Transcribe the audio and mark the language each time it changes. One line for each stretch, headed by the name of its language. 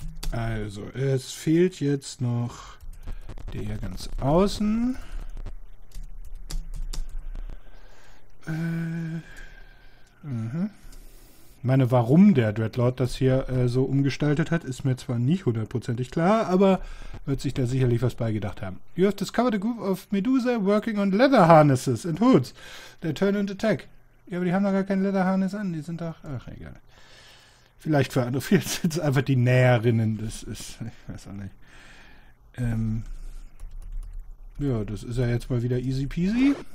German: Also, es fehlt jetzt noch der ganz außen. Meine, warum der Dreadlord das hier so umgestaltet hat, ist mir zwar nicht hundertprozentig klar, aber wird sich da sicherlich was beigedacht haben.
English: You have discovered a group of Medusa working on leather harnesses and hoods. They turn and attack.
German: Ja, aber die haben doch gar kein Lederharness an. Die sind doch. Ach, egal. Vielleicht für andere. Vielleicht sind es einfach die Näherinnen. Das ist. Ich weiß auch nicht. Ja, das ist ja jetzt mal wieder easy peasy.